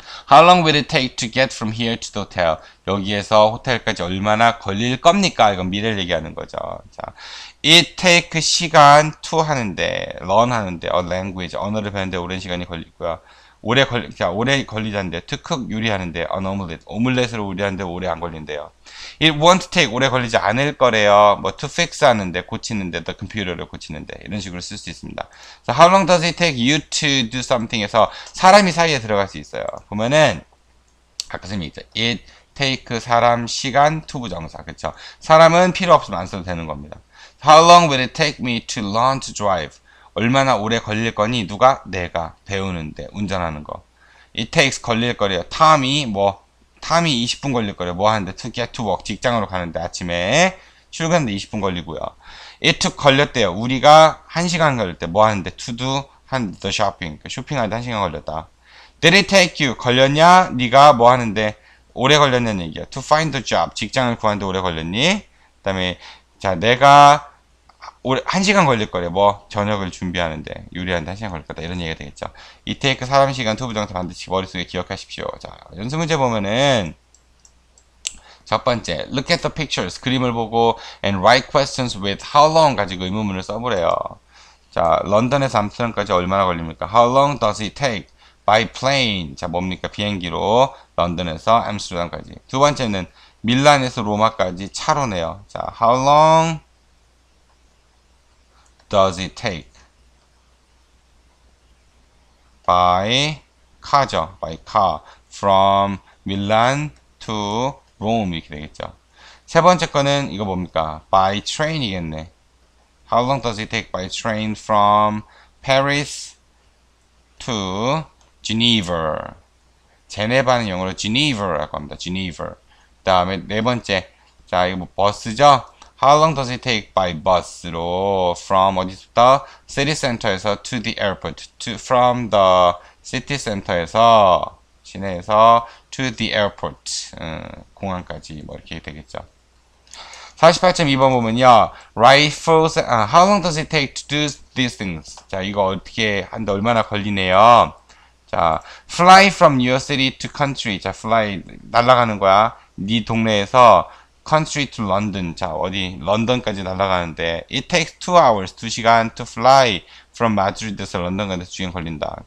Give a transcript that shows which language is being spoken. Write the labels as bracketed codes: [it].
[en] How long will it take to get from here to the hotel? [ko] 여기에서 호텔까지 얼마나 걸릴 겁니까? 이건 미래를 얘기하는 거죠. 자, [en] it take [ko] 시간 to 하는데, learn 하는데, [en] a language, [ko] 언어를 배우는데 오랜 시간이 걸리고요. 오래 걸리자는데, to cook 요리하는데, an omelette, 오믈렛으로 요리하는데 오래 안 걸린대요. [en] It won't take, [ko] 오래 걸리지 않을 거래요. 뭐, to fix 하는데, 고치는데, [en] the computer [ko] 를 고치는데, 이런 식으로 쓸수 있습니다. [en] So, how long does it take you to do something [ko] 에서 사람이 사이에 들어갈 수 있어요. 보면은, 가끔씩 있죠. [en] It take [ko] 사람 시간 to 부정사. 그렇죠? 사람은 필요 없으면 안 써도 되는 겁니다. [en] How long will it take me to learn to drive? [ko] 얼마나 오래 걸릴 거니? 누가? 내가 배우는데 운전하는 거. [en] It takes [ko] 걸릴 거래요. Time이 20분 걸릴 거래요. 뭐 하는데? [en] To get to work. [ko] 직장으로 가는데 아침에 출근하는데 20분 걸리고요. [en] It took [ko] 걸렸대요. 우리가 1시간 걸릴 때뭐 하는데? [en] To do 한 the shopping. [ko] 쇼핑하는데 1시간 걸렸다. [en] Did it take you? [ko] 걸렸냐? 네가 뭐 하는데? 오래 걸렸냐는 얘기야. [en] To find a job. [ko] 직장을 구하는데 오래 걸렸니? 그다음에 자, 내가 오래 1시간 걸릴 거래. 뭐 저녁을 준비하는데 요리하는데 1시간 걸릴 거다. 이런 얘기가 되겠죠. [en] It take [ko] 사람 시간 to 부정사 반드시 머릿속에 기억하십시오. 자, 연습 문제 보면은 첫 번째, [en] look at the pictures. [ko] 그림을 보고 [en] and write questions with how long [ko] 가지고 의문문을 써보래요. 자, 런던에서 암스테르담까지 얼마나 걸립니까? [en] How long does it take by plane? [ko] 자, 뭡니까? 비행기로 런던에서 암스테르담까지. 두 번째는 밀란에서 로마까지 차로 내요. [en] 자, how long does it take by car죠? By car from Milan to Rome [ko] 이렇게 되겠죠. 세 번째 거는 이거 뭡니까? [en] By train이겠네. How long does it take by train from Paris to Geneva? [ko] 제네바는 영어로 Geneva라고 합니다. Geneva. 그다음에 네 번째. 자, 이거 뭐 버스죠? [en] How long does it take by bus로 from 어디서부터? City Center에서 to the airport. From the city center에서 [ko] 시내에서 [en] to the airport. [ko] 공항까지 뭐 이렇게 되겠죠. 48.2번 보면요. [en] How long does it take to do these things? [ko] 자, 이거 어떻게 한데 얼마나 걸리네요. [en] 자, fly from your city to country. 자, fly [ko] 날아가는 거야. 네 동네에서 country to London. 자, 어디? 런던까지 날아가는데 [en] it takes 2 hours. [ko] 2시간 [en] to fly from Madrid [ko] 에서 런던 가는데 2시간 걸린다.